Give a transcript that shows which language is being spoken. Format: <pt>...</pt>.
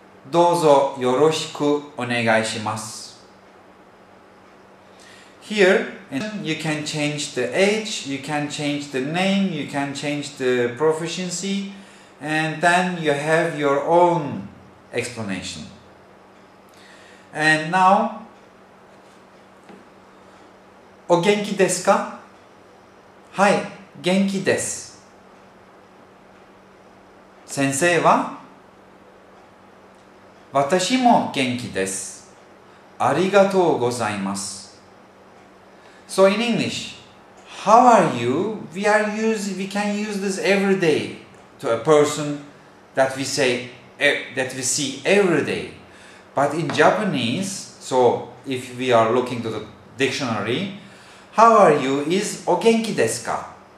<ja>どうぞよろしくお願いします。</ja> <en>Here, you can change the age, you can change the name, you can change the proficiency, and then you have your own explanation. And now,</en> <ja>お元気ですか? はい、元気です。先生は? 私も元気です。ありがとうございます。</ja> <en>So in English, how are you? We can use this every day to a person that we see every day. But in Japanese, so if we are looking to the dictionary, how are you is</en> <ja>お元気ですか?</ja>